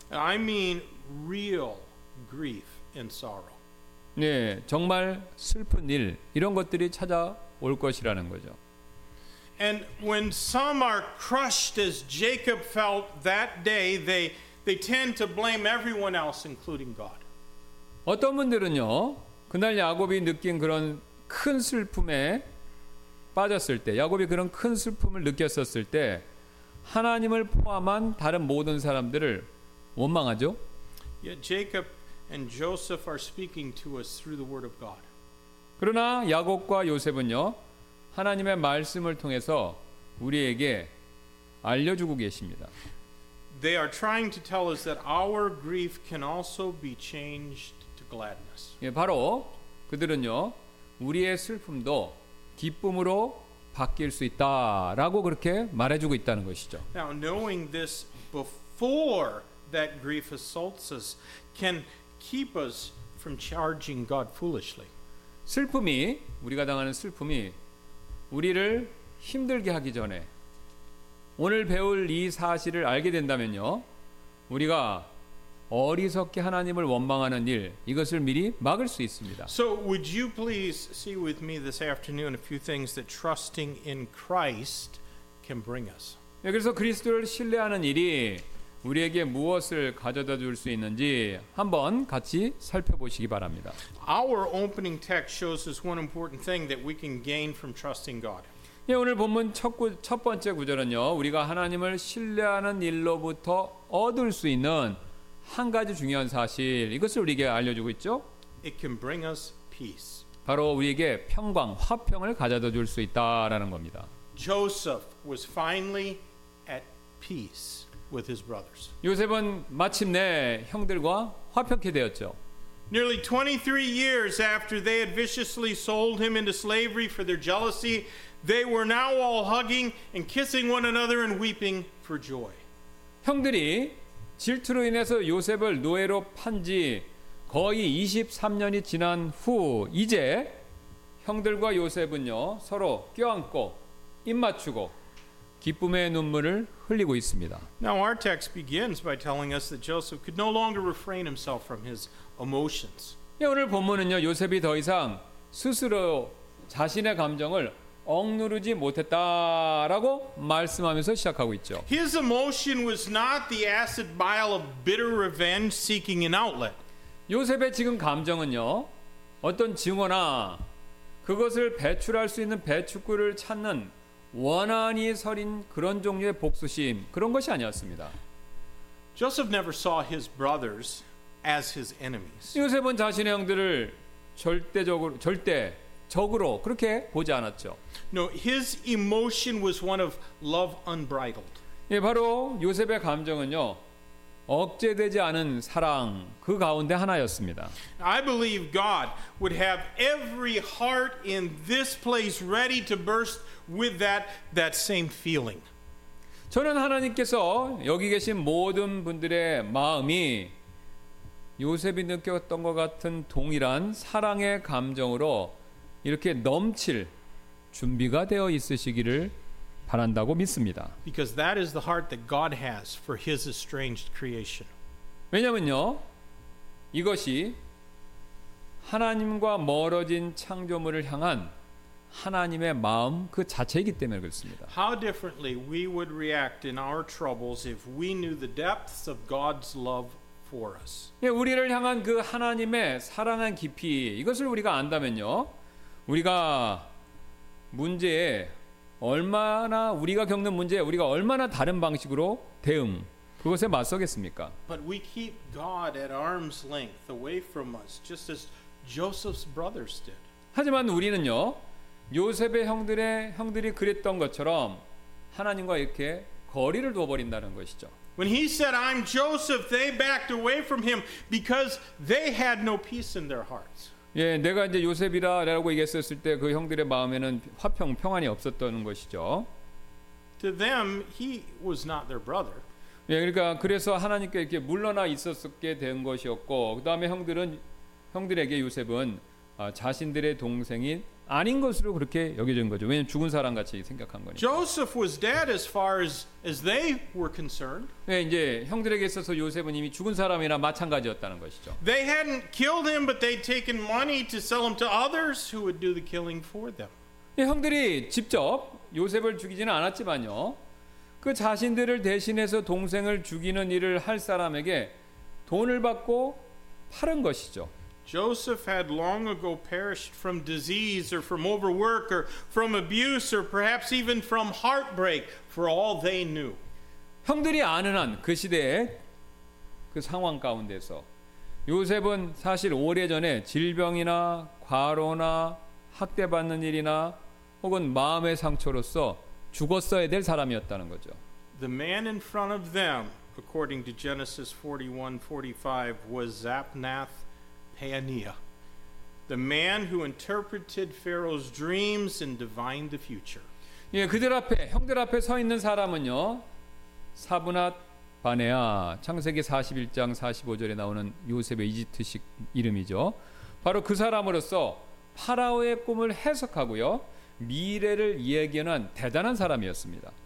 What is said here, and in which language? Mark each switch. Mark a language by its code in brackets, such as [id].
[en] I mean real grief. In sorrow. [ko] 네, 정말 슬픈 일 이런 것들이 찾아올 것이라는 거죠. [en] And when some are crushed as Jacob felt that day, they They tend to blame everyone else, including God. [ko] 어떤 분들은요, 그날 야곱이 느낀 그런 큰 슬픔에 빠졌을 때, 야곱이 그런 큰 슬픔을 느꼈었을 때, 하나님을 포함한 다른 모든 사람들을 원망하죠. [en] Yet Jacob and Joseph are speaking to us through the Word of God. [ko] 그러나 야곱과 요셉은요, 하나님의 말씀을 통해서 우리에게 알려주고 계십니다. [en] They are trying to tell us that our grief can also be changed to gladness. [ko] 예, 바로 그들은요, 우리의 슬픔도 기쁨으로 바뀔 수 있다라고 그렇게 말해주고 있다는 것이죠. [en] Now knowing this before that grief assaults us can keep us from charging God foolishly. [ko] 슬픔이 우리가 당하는 슬픔이 우리를 힘들게 하기 전에 오늘 배울 이 사실을 알게 된다면요, 우리가 어리석게 하나님을 원망하는 일 이것을 미리 막을 수 있습니다. [en] So would you please see with me this afternoon a few things that trusting in Christ can bring us? [ko] 그래서 그리스도를 신뢰하는 일이 우리에게 무엇을 가져다 줄 수 있는지 한번 같이 살펴보시기 바랍니다. [en] Our opening text shows us one important thing that we can gain from trusting God. [ko] 예, 오늘 본문 첫 번째 구절은요, 우리가 하나님을 신뢰하는 일로부터 얻을 수 있는 한 가지 중요한 사실, 이것을 우리에게 알려주고 있죠. [en] It can bring us peace. [ko] 바로 우리에게 평강, 화평을 가져다 줄 수 있다라는 겁니다. [en] Joseph was finally at peace with his brothers. [ko] 요셉은 마침내 형들과 화평케 되었죠. [en] Nearly 23 years after they had viciously sold him into slavery for their jealousy, they were now all hugging and kissing one another and weeping for joy. [ko] 형들이 질투로 인해서 요셉을 노예로 판 지 거의 23년이 지난 후 이제 형들과 요셉은요 서로 껴안고 입 맞추고 기쁨의 눈물을 흘리고 있습니다. [en] Now our text begins by telling us that Joseph could no longer refrain himself from his emotions. [ko] 예, 오늘 본문은요, 요셉이 더 이상 스스로 자신의 감정을 억누르지 못했다라고 말씀하면서 시작하고 있죠. [en] His emotion was not the acid bile of bitter revenge seeking an outlet. [ko] 요셉의 지금 감정은요, 어떤 증오나 그것을 배출할 수 있는 배출구를 찾는 원한이 서린 그런 종류의 복수심, 그런 것이 아니었습니다. [en] Joseph never saw his brothers as his enemies. [ko] 요셉은 자신의 형들을 절대적으로 그렇게 보지 않았죠. [en] No, his emotion was one of love unbridled. [ko] 예, 바로 요셉의 감정은요, 억제되지 않은 사랑, 그 가운데 하나였습니다. [en] I believe God would have every heart in this place ready to burst with that same feeling. [ko] 저는 하나님께서 여기 계신 모든 분들의 마음이 요셉이 느꼈던 것 같은 동일한 사랑의 감정으로 이렇게 넘칠 준비가 되어 있으시기를 바란다고 믿습니다. [en] Because that is the heart that God has for his estranged creation. [ko] 왜냐면요, 이것이 하나님과 멀어진 창조물을 향한 하나님의 마음 그 자체이기 때문에 그렇습니다. [en] How differently we would react in our troubles if we knew the depths of God's love for us. [ko] 예, 우리를 향한 그 하나님의 사랑한 깊이, 이것을 우리가 안다면요, 우리가 문제에 얼마나 우리가 겪는 문제에 우리가 얼마나 다른 방식으로 대응 그것에 맞서겠습니까? [en] But we keep God at arm's length away from us, just as Joseph's brothers did. [ko] 하지만 우리는요, 요셉의 형들이 그랬던 것처럼 하나님과 이렇게 거리를 둬버린다는 것이죠. [en] When he said, "I'm Joseph," they backed away from him because they had no peace in their hearts. [ko] 예, 내가 이제 요셉이라고 얘기했었을 때 그 형들의 마음에는 화평, 평안이 없었던 것이죠. [en] To them, he was not their brother. [ko] 예, 그러니까 그래서 하나님께 이렇게 물러나 있었게 된 것이었고, 그 다음에 형들에게 요셉은 자신들의 동생이 아닌 것으로 그렇게 여겨진 거죠. 왜냐면 죽은 사람 같이 생각한 거니까. [en] Joseph was dead as far as they were concerned. [ko] 네, 이제 형들에게 있어서 요셉은 이미 죽은 사람이나 마찬가지였다는 것이죠. [en] They hadn't killed him, but they'd taken money to sell him to others who would do the killing for them. [ko] 네, 형들이 직접 요셉을 죽이지는 않았지만요, 그 자신들을 대신해서 동생을 죽이는 일을 할 사람에게 돈을 받고 팔은 것이죠. [en] Joseph had long ago perished from disease or from overwork or from abuse or perhaps even from heartbreak for all they knew. [ko] 형들이 아는 한 그 시대의 그 상황 가운데서 요셉은 사실 오래전에 질병이나 과로나 학대받는 일이나 혹은 마음의 상처로서 죽었어야 될 사람이었다는 거죠. [en] The man in front of them, according to Genesis 41:45, was Zaphnath Paaneah, the man who interpreted Pharaoh's dreams and divined the future. [ko] 예, 그들 앞에 형들 앞에 서 있는 사람은요. 사브낫 바네아, 창세기 41장 45절에 나오는 요셉의 이집트식 이름이죠. 바로 그 사람으로서 파라오의 꿈을 해석하고요. 미래를 예견한 대단한 사람이었습니다.